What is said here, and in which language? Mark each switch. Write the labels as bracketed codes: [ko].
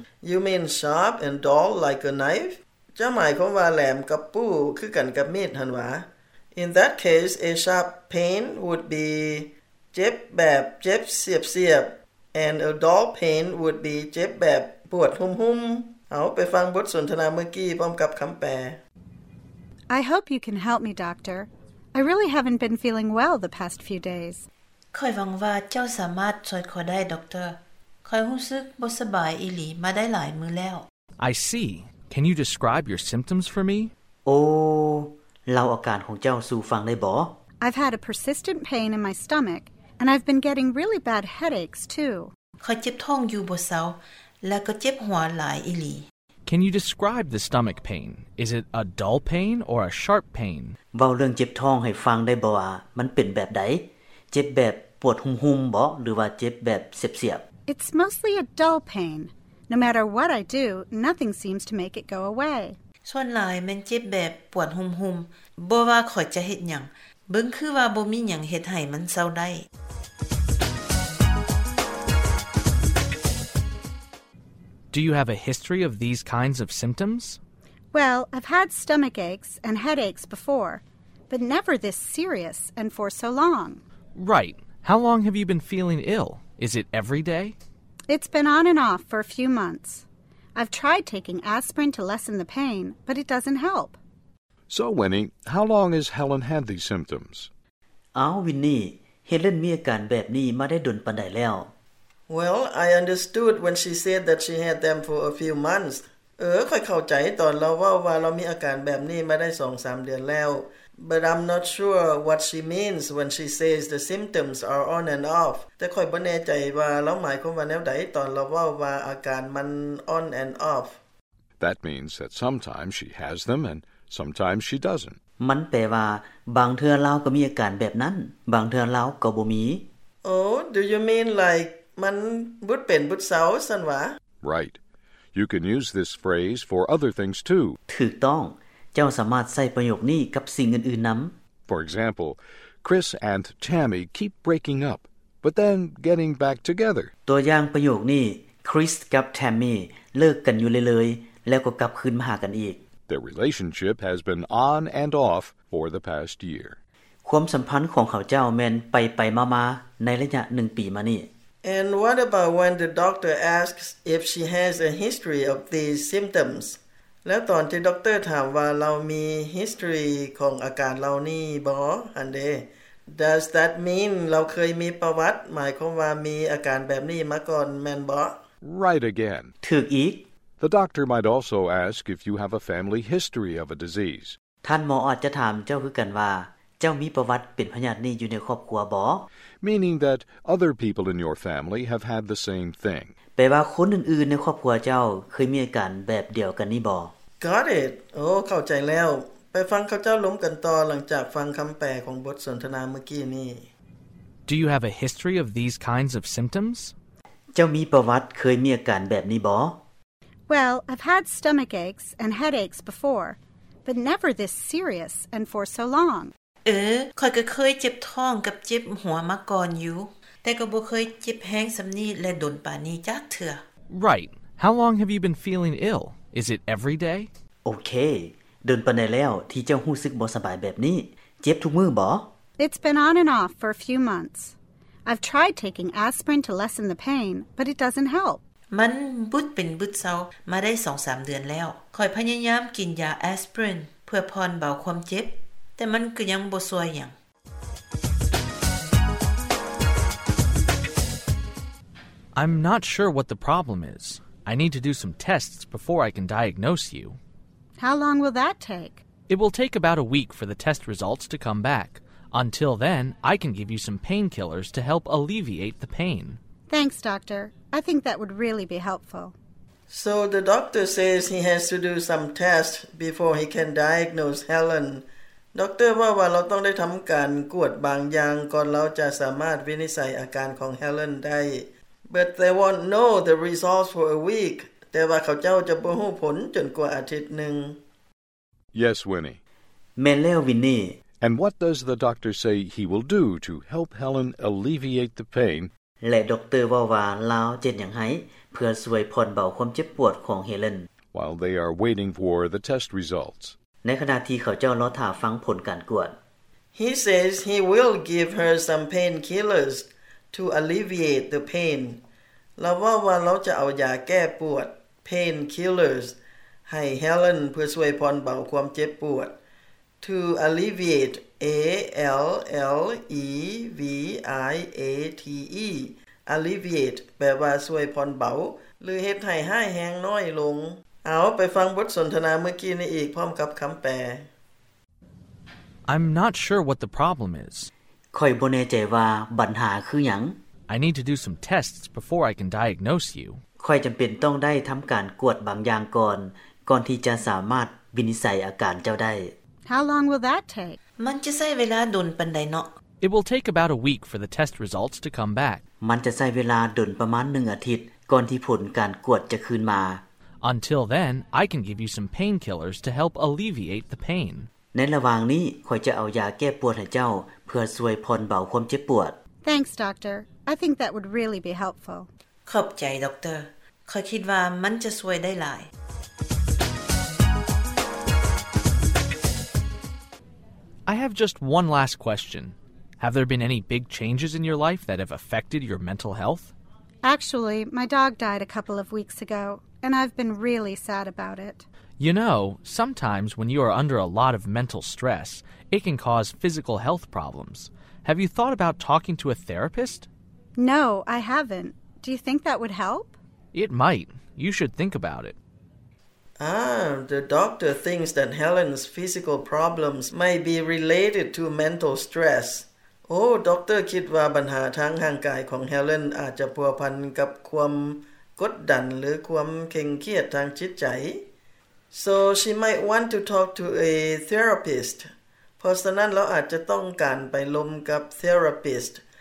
[en] You mean sharp and dull like a knife? [tts] จะหมายความว่าแหลมกับปู้คือกันกับมีดหันวะ [en] In that case, a sharp pain would be [tts] เจ็บแบบเจ็บเสียบๆ [en] and a dull pain would be [tts] เจ็บแบบปวดหุ้มๆเอาไปฟังบทสนทนาเมื่อกี้พร้อมกับคำแปล [en] I hope you can help me, doctor. I really haven't been feeling well the past few days. [tts] ข่อยหวังว่าเจ้าสามารถช่วยข่อยได้ doctor. ข่อยรู้สึกบ่สบายอีหลีมาได้หลายมื้อแล้ว [en] I see. Can you describe your symptoms for me? [tts] Oh, เล่าอาการของเจ้าสู่ฟังได้บ่ [en] I've had a persistent pain in my stomach, and I've been getting really bad headaches, too. [tts] ข้อยเจ็บท้องอยู่บ่เซาและก็เจ็บหัวหลายอีหลี [en] Can you describe the stomach pain? Is it a dull pain or a sharp pain? [tts] เว้าเรื่องเจ็บท้องให้ฟังได้บ่ว่ามันเป็นแบบใดเจ็บแบบปวดหุ้มๆบ่หรือว่าเจ็บแบบเสียบ [en] ๆ It's mostly a dull pain. No matter what I do, nothing seems to make it go away. [tts] ส่วนหลายมันเจ็บแบบปวดหุมๆบ่ว่าข่อยจะเฮ็ดหยังเบิ่งคือว่าบ่มีหยังเฮ็ดให้มันเซาได้ [en] Do you have a history of these kinds of symptoms? Well, I've had stomach aches and headaches before, but never this serious and for so long. Right. How long have you been feeling ill? Is it every day? It's been on and off for a few months. I've tried taking aspirin to lessen the pain, but it doesn't help. So, Winnie, how long has Helen had these symptoms? [tts] Winnie, Helen มีอาการแบบนี้มาได้ดนปานใดแล้ว [en] Well, I understood when she said that she had them for a few months. [tts] ค่อยเข้าใจตอนเราว่าว่าเรามีอาการแบบนี้มาได้ 2-3 เดือนแล้ว [en] But I'm not sure what she means when she says the symptoms are on and off. [tts] แต่ค่อยบ่แน่ใจว่าเราหมายความว่าแนวใดตอนเราว่าว่าอาการมัน on and off. [en] That means that sometimes she has them and sometimes she doesn't. [tts] มันแปลว่าบางเทื่อเราก็มีอาการแบบนั้นบางเทื่อเราก็บ่มี [en] Oh, do you mean like [tts] มันบุดเป็นบุดเซาซั่นวะ [en] Right. You can use this phrase for other things too. [tts] ถูกต้องเจ้าสามารถใช้ประโยคนี้กับสิ่งอื่นๆนำ [en] For example, Chris and Tammy keep breaking up, but then getting back together. [tts] ตัวอย่างประโยคนี้ Chris กับ Tammy เลิกกันอยู่เลยๆแล้วก็กลับคืนมาหากันอีก [en] Their relationship has been on and off for the past year. [tts] ความสัมพันธ์ของเขาเจ้าแม่นไปๆมาๆในระยะ1ปีมานี้ [en] And what about when the doctor asks if she has a history of these symptoms? [tts] แล้วตอนที่ด็อกเตอร์ถามว่าเรามี history ของอาการเรานี่บ่อันเด [en] Does that mean [tts] เราเคยมีประวัติหมายความว่ามีอาการแบบนี้มาก่อนแม่นบ่ [en] Right again. [tts] ถูกอีก [en] The doctor might also ask if you have a family history of a disease. [tts] ท่านหมออาจจะถามเจ้าคือกันว่าเจ้ามีประวัติเป็นพยาธินี้อยู่ในครอบครัวบ่ [en] Meaning that other people in your family have had the same thing. [tts] แปลว่าคนอื่นๆในครอบครัวเจ้าเคยมีอาการแบบเดียวกันนี่บ่ [en] Got it. [tts] เข้าใจแล้วไปฟังเขาเจ้าล้มกันต่อหลังจากฟังคําแปลของบทสนทนาเมื่อกี้นี้ [en] Do you have a history of these kinds of symptoms? [tts] เจ้ามีประวัติเคยมีอาการแบบนี้บ่ [en] Well, I've had stomach aches and headaches before, but never this serious and for so long. [tts] ข้อยก็เคยเจ็บท้องกับเจ็บหัวมาก่อนอยู่แต่ก็บ่เคยเจ็บแฮงซํานี้และดนปานนี้จักเทื่อ [en] Right. How long have you been feeling ill? Is it every day? Okay. [tts] ดนปานใดแล้วที่เจ้ารู้สึกบ่สบายแบบนี้เจ็บทุกมื้อบ่ [en] It's been on and off for a few months. I've tried taking aspirin to lessen the pain, but it doesn't help. [tts] มันบุดเป็นบุดเซามาได้ 2-3 เดือนแล้วข้อยพยายามกินยาแอสไพรินเพื่อผ่อนเบาความเจ็บแต่มันก็ยังบ่ช่วยหยัง [en] I'm not sure what the problem is. I need to do some tests before I can diagnose you. How long will that take? It will take about a week for the test results to come back. Until then, I can give you some painkillers to help alleviate the pain. Thanks, doctor. I think that would really be helpful. So the doctor says he has to do some tests before he can diagnose Helen. [tts] ด็อกเตอร์ว่าว่าเราต้องได้ทําการกวดบางอย่างก่อนเราจะสามารถวินิจฉัยอาการของเฮเลนได้ [en] But they won't know the results for a week [tts] แต่ว่าเขาเจ้าจะบ่รู้ผลจนกว่าอาทิตย์นึง [en] Yes, Winnie. [tts] แม่นแล้ววินนี่ [en] And what does the doctor say he will do to help Helen alleviate the pain? [tts] และด็อกเตอร์ว่าว่าเราจะเฮ็ดหยังให้เพื่อช่วยผ่อนเบาความเจ็บปวดของเฮเลน [en] While they are waiting for the test results. [tts] ในขณะที่เขาเจ้ารอถ่าฟังผลการกวด [en] He says he will give her some painkillers to alleviate the pain. [tts] เราว่าว่าเราจะเอายาแก้ปวด painkillers ให้ Helen เพื่อช่วยผ่อนเบาความเจ็บปวด [en] to alleviate alleviate alleviate [tts] แปลว่าช่วยผ่อนเบาหรือเฮ็ดให้หายแฮงน้อยลงเอาไปฟังบทสนทนาเมื่อกี้นี้อีกพร้อมกับคําแปล [en] I'm not sure what the problem is. [tts] ข้อยบ่แน่ใจว่าปัญหาคือหยัง [en] I need to do some tests before I can diagnose you. [tts] ข้อยจําเป็นต้องได้ทําการกวดบางอย่างก่อนที่จะสามารถวินิจฉัยอาการเจ้าได้ [en] How long will that take? [tts] มันจะใช้เวลาดนปานใดเนาะ [en] It will take about a week for the test results to come back. [tts] มันจะใช้เวลาดนประมาณ1อาทิตย์ก่อนที่ผลการกวดจะคืนมา [en] Until then, I can give you some painkillers to help alleviate the pain. [tts] ในระหว่างนี้ข้อยจะเอายาแก้ปวดให้เจ้าเพื่อช่วยผ่อนเบาความเจ็บปวด [en] Thanks, Doctor. I think that would really be helpful. [tts] ขอบใจ Doctor. ข้อยคิดว่ามันจะช่วยได้หลาย [en] I have just one last question. Have there been any big changes in your life that have affected your mental health? Actually, my dog died a couple of weeks ago, and I've been really sad about it. You know, sometimes when you are under a lot of mental stress, it can cause physical health problems. Have you thought about talking to a therapist? No, I haven't. Do you think that would help? It might. You should think about it. Ah, the doctor thinks that Helen's physical problems may be related to mental stress. [tts] Oh, doctor คิดว่าปัญหาทางร่างกายของ Helen อาจจะพัวพันกับความกดดันหรือความเคร่งเครียดทางจิตใจ [en] So she might want to talk to a therapist. [tts] เพราะฉะนั้นเราอาจจะต้องการไปลมกับ therapist.